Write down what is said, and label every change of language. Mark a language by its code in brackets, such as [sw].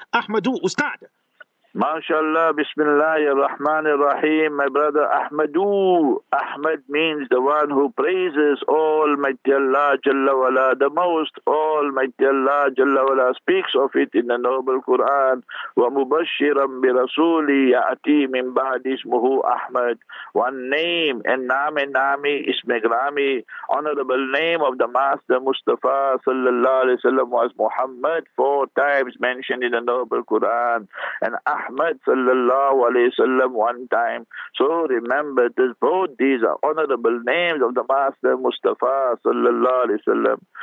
[en] Ahmadu, Ustad. MashaAllah, Bismillah, Ar-Rahman, Ar-Rahim. My brother Ahmadu. Ahmad means the one who praises Almighty Allah Jalla Wala the most. Almighty Allah Jalla Wala speaks of it in the Noble Quran. [ar] وَمُبَشِّرًا بِرَسُولِ يَأْتِي مِنْ بَعْدِ اسْمُهُ Ahmad. [en] One name, and name, name, [ur] isme grami. [en] Honorable name of the Master Mustafa Sallallahu Alaihi Wasallam was Muhammad, 4 times mentioned in the Noble Quran. And Ahmad sallallahu alayhi wa sallam one time. So remember this, both these are honorable names of the Master Mustafa sallallahu alayhi wa sallam.